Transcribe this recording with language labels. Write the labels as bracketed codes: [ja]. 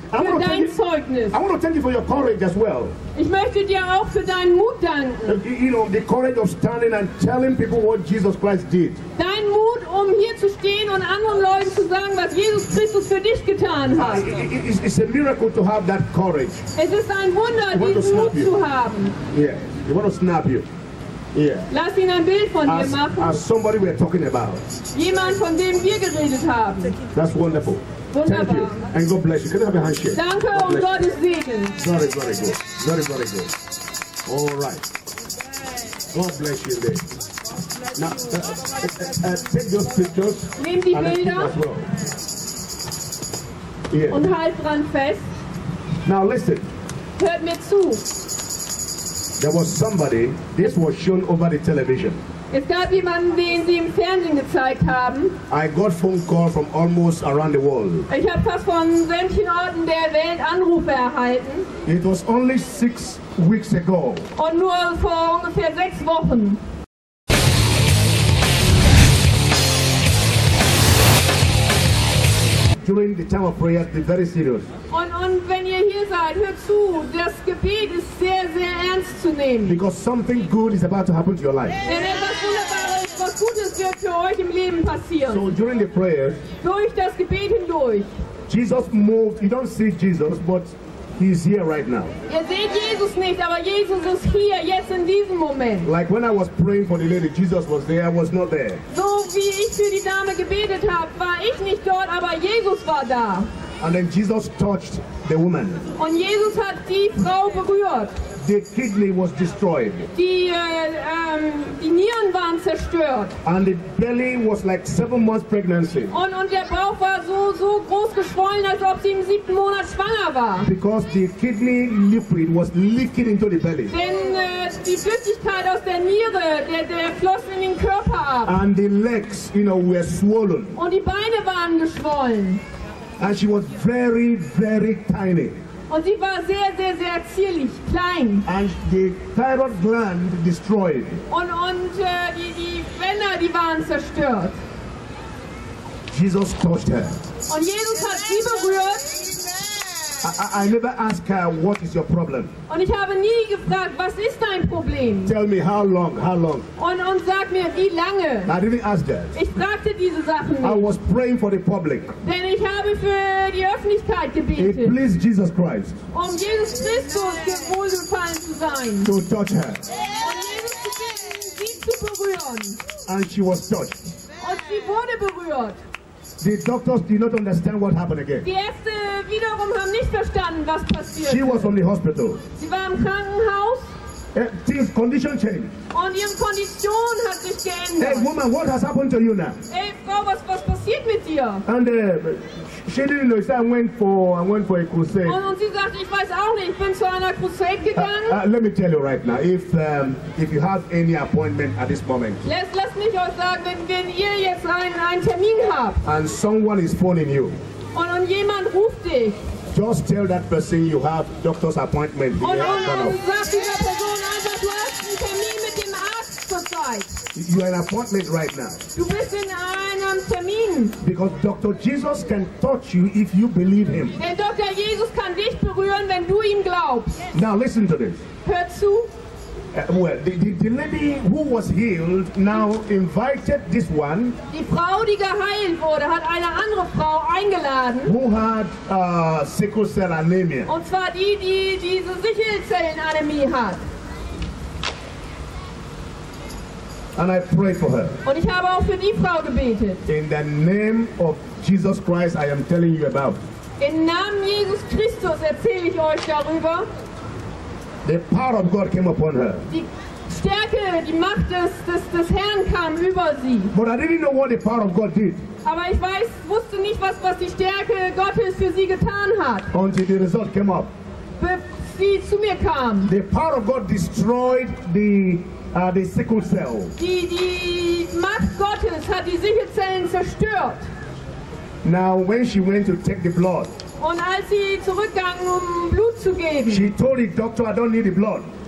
[en] I want to thank you for your courage as well. [de] Ich möchte dir auch für deinen Mut danken. [en] The courage of standing and telling people what Jesus Christ did. [de] Dein Mut, hier zu stehen und anderen Leuten zu sagen, was Jesus Christus für dich getan hat. [en] It's a miracle to have that courage. [de] Es ist ein Wunder, diesen Mut zu haben. [en] Yeah, they want to snap you. Yeah. [de] Lass ihn ein Bild von dir machen. [en] As somebody we're talking about. [de] Jemand, von dem wir geredet haben. [en] That's wonderful. [de] Wunderbar. [en] Thank you. And God bless you. Can I have a handshake? [de] Danke und Gottes Segen. [en] Very, very good. Very, very good. All right. God bless you, Lee. Now, take those pictures. [de] Nimm die Bilder. [en] Yeah. [de] Und halt dran fest. [en] Now listen. [de] Hört mir zu. [en] There was somebody, this was shown over the television. [de] Es gab jemanden, den sie im Fernsehen gezeigt haben. [en] I got phone calls from almost around the world. [de] Ich habe fast von sämtlichen Orten der Welt Anrufe erhalten. [en] It was only 6 weeks ago. [de] Und nur vor ungefähr 6 Wochen. [en] During the time of prayer, they're very serious. [de] Und wenn ihr hier seid, hört zu, das Gebet ist sehr, sehr ernst zu nehmen. [en] Because something good is about to happen to your life. [de] Denn etwas Wunderbares, was Gutes wird für euch im Leben passieren. [en] So during the prayer, [de] durch das Gebet hindurch, [en] Jesus moved. You don't see Jesus, but he's here right now. [de] Ihr seht Jesus nicht, aber Jesus ist hier, jetzt in diesem Moment. [en] Like when I was praying for the lady, Jesus was there, I was not there. [de] So wie ich für die Dame gebetet habe, war ich nicht dort, aber Jesus war da. [en] And then Jesus touched the woman. [de] Und Jesus hat die Frau berührt. [en] The kidney was destroyed. [de] Die Nieren waren zerstört. [en] And the belly was like 7 months pregnancy. [de] Und der Bauch war so groß geschwollen, als ob sie im 7. Monat schwanger war. [en] Because the kidney liquid was leaking into the belly. [de] Denn die Flüssigkeit aus der Niere, der floss in den Körper ab. [en] And the legs, were swollen. [de] Und die Beine waren geschwollen. [en] And she was very, very tiny. [de] Und sie war sehr, sehr, sehr zierlich, klein. [en] And the thyroid gland destroyed. [de] Und die Wände, die waren zerstört. [en] Jesus touched her. [de] Und Jesus hat sie berührt. [en] I never ask her, what is your problem? [de] Und ich habe nie gefragt, was ist dein Problem? [en] Tell me, how long? [de] Und sag mir, wie lange? [en] I didn't ask that. [de] Ich fragte diese Sachen nicht. [en] I was praying for the public. [de] Denn ich habe für die Öffentlichkeit gebetet. [en] It pleased Jesus Christ. [de] Jesus Christus wohlgefallen zu sein. [en] To touch her. [de] Und Jesus zu bitten, sie zu berühren. [en] And she was touched. [de] Und sie wurde berührt. [en] The doctors did not understand what happened again. [de] Die Ärzte wiederum haben nicht verstanden, was passiert. [en] She was from the hospital. [de] Sie war im Krankenhaus. [en] Things condition changed. [de] Und ihre Kondition hat sich geändert. [en] Hey woman, what has happened to you now? [de] Hey Frau, was passiert mit dir? [en] And [de] entschieden in Deutschland, [en] I went for a crusade. [de] Und sie sagt, ich weiß auch nicht, ich bin zu einer Crusade gegangen. [en] Let me tell you right now, if you have any appointment at this moment. [de] Lass mich euch sagen, wenn ihr jetzt einen Termin habt. [en] And someone is phoning you. [de] Und jemand ruft dich. [en] Just tell that person you have doctor's appointment. [de] Und sag dieser Person einfach, du hast einen Termin mit dem Arzt zurzeit. [en] You have an appointment right now. [de] Du bist in einem Termin. [en] Because Dr. Jesus can touch you if you believe him. [de] Denn Dr. Jesus kann dich berühren, wenn du ihm glaubst. [en] Yes. Now listen to this. [de] Hör zu. [en] The lady who was healed now invited this one. [de] Die Frau, die geheilt wurde, hat eine andere Frau eingeladen. [en] Who had sickle cell anemia. [de] Und zwar die diese Sichelzellenanämie hat. [en] And I pray for her. [de] Und ich habe auch für die Frau gebetet. [en] In the name of Jesus Christ, I am telling you about. [de] Im Namen Jesus Christus erzähle ich euch darüber. [en] The power of God came upon her. [de] Die Stärke, die Macht des Herrn kam über sie. [en] But I didn't know what the power of God did. [de] Aber ich wusste nicht, was die Stärke Gottes für sie getan hat. [en] Until the result came up. [de] Bis sie zu mir kam. [en] The power of God destroyed the sickle cell. [de] Die Macht Gottes hat die Sichelzellen zerstört. [en] Now when she went to take the blood. [de] Und als sie zurückgegangen, um Blut zu geben. [en] She told the doctor, I don't need the blood.